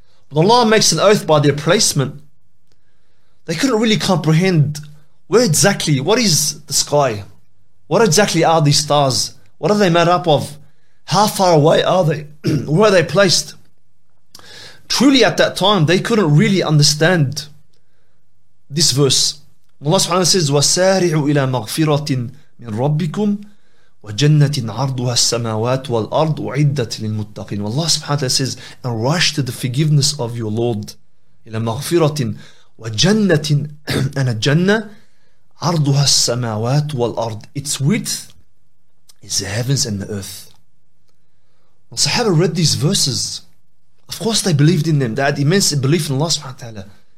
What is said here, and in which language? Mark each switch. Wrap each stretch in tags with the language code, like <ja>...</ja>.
<en>But Allah makes an oath by their placement. They couldn't really comprehend where exactly, what is the sky? What exactly are these stars? What are they made up of? How far away are they? Where are they placed? Truly at that time, they couldn't really understand this verse. Allah subhanahu wa ta'ala says,</en> <ar>وَسَارِعُوا إِلَى مَغْفِرَةٍ مِنْ رَبِّكُمْ وَجَنَّةٍ عَرْضُهَا السَّمَاوَاتُ وَالْأَرْضُ أُعِدَّتْ لِلْمُتَّقِينَ.</ar> <en>Allah subhanahu wa ta'ala says, and rush to the forgiveness of your Lord.</en> <ar>إِلَى مَغْفِرَةٍ وَجَنَّةٍ</ar> <en>and a jannah,</en> <ar>عَرْضُهَا السَّمَاوَاتُ وَالْأَرْضُ,</ar> <en>its width is the heavens and the earth. The Sahaba read these verses. Of course they believed in them. They had immense belief in Allah subhanahu wa ta'ala.</en>